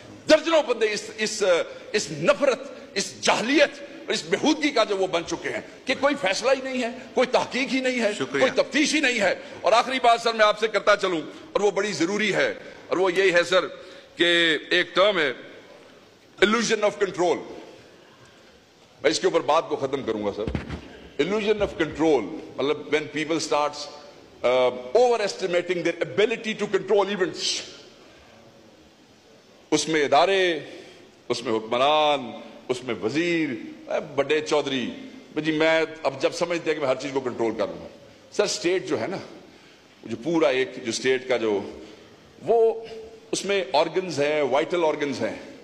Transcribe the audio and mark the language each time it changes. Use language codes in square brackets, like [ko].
[ur] درجنوں بندے اس نفرت، اس جاہلیت اور اس بےہودگی کا جو وہ بن چکے ہیں کہ کوئی فیصلہ ہی نہیں ہے، کوئی تحقیق ہی نہیں ہے، کوئی تفتیش ہی نہیں ہے. اور آخری بات سر میں آپ سے کرتا چلوں، اور وہ بڑی ضروری ہے، اور وہ یہی ہے سر کہ ایک ٹرم ہے illusion of control. میں اس کے اوپر بات کو ختم کروں گا سر. [en] illusion of control مطلب when people starts overestimating their ability to control events. [ur] اس میں ادارے، اس میں حکمران، اس میں وزیر، بڑے چودھری جی میں اب جب سمجھتے ہیں کہ میں ہر چیز کو کنٹرول کر رہا ہوں. سر اسٹیٹ جو ہے نا، جو پورا ایک جو اسٹیٹ کا جو وہ، اس میں آرگنز ہیں، وائٹل آرگنز ہیں.